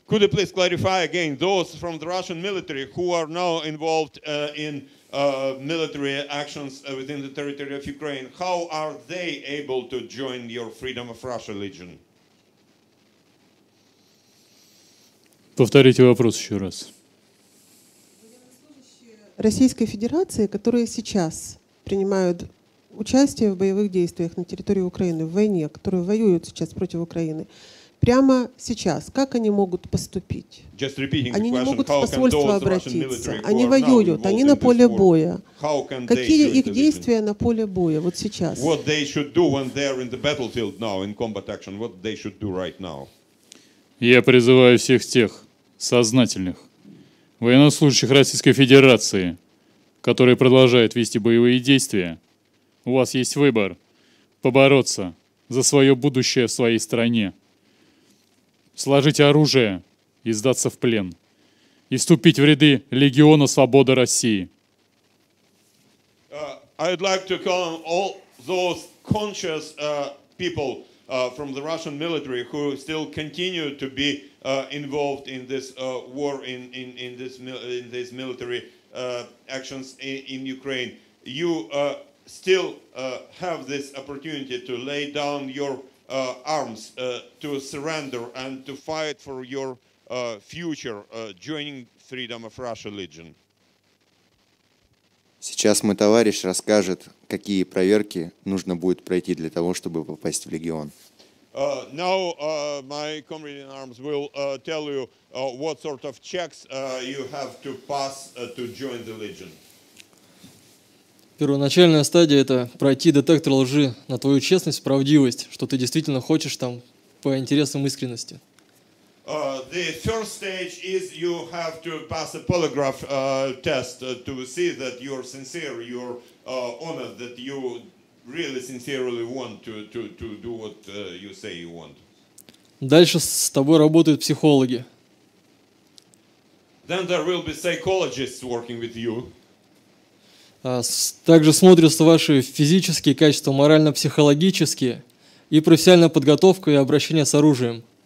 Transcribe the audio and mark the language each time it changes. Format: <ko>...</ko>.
<en>Could you please clarify again, those from the Russian military who are now involved in military actions within the territory of Ukraine, how are they able to join your Freedom of Russia Legion?</en> <ru>Повторите вопрос еще раз. Российской Федерации, которые сейчас принимают участие в боевых действиях на территории Украины, в войне, которые воюют сейчас против Украины, прямо сейчас, как они могут поступить?</ru> <en>Just repeating the</en> <ru>они</ru> <en>question,</en> <ru>не могут в посольство обратиться.</ru> <en>Military,</en> <ru>они воюют, они на поле боя. Какие их действия на поле боя вот сейчас?</ru> <en>What they should do when they are in the battlefield now, in combat action, what they should do right now?</en> <ru>Я призываю всех тех сознательных военнослужащих Российской Федерации, которые продолжают вести боевые действия, у вас есть выбор побороться за свое будущее в своей стране, сложить оружие и сдаться в плен, и вступить в ряды Легиона Свободы России.</ru> <en>I'd like to call on all those conscious people from the Russian military who still continue to be involved in this war, in this military actions in Ukraine. You still have this opportunity to lay down your arms, to surrender and to fight for your future, joining Freedom of Russia Legion.</en> <ru>Сейчас мой товарищ расскажет, какие проверки нужно будет пройти для того, чтобы попасть в Легион.</ru> <en>Now my comrade in arms will tell you what sort of checks you have to pass to join the Legion.</en> <ru>Первоначальная стадия – это пройти детектор лжи на твою честность, правдивость, что ты действительно хочешь там по интересам искренности.</ru> <en>The first stage is you have to pass a polygraph test to see that you're sincere, you're honest, that you really sincerely want to do what you say you want.</en> <ru>Дальше с тобой работают психологи.</ru> <en>Then there will be psychologists working with you.</en> <ru>Также смотрятся ваши физические качества, морально-психологические и профессиональная подготовка и обращение с оружием.</ru>